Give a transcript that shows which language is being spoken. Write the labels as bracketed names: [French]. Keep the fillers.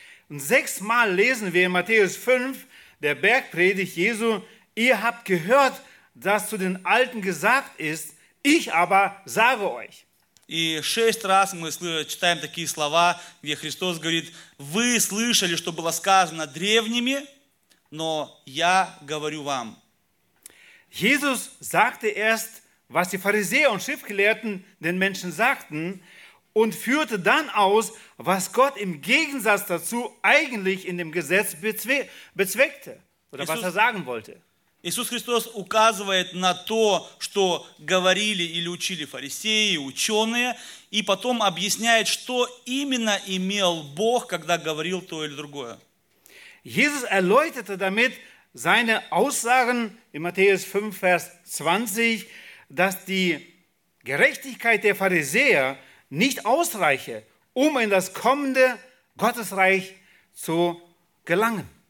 [German] Und sechsmal lesen wir in Matthäus 5 der Bergpredigt Jesu: Ihr habt gehört, dass zu den Alten gesagt ist, ich aber sage euch. [Russian] Und И шесть раз мы читаем такие слова, где Христос говорит: Вы слышали, что было сказано древними, но я говорю euch. [German] Jesus sagte erst, was die Pharisäer und Schriftgelehrten den Menschen sagten und führte dann aus, was Gott im Gegensatz dazu eigentlich in dem Gesetz bezwe bezweckte oder Jesus, was er sagen wollte. [Russian] Jesus Christus указывает на то, что говорили или учили фарисеи, ученые, и потом объясняет, что именно имел Бог, когда говорил то или другое. [German] Jesus erläuterte damit, seine Aussagen in Matthäus 5, Vers 20, dass die Gerechtigkeit der Pharisäer nicht ausreiche, um in das kommende Gottesreich zu gelangen.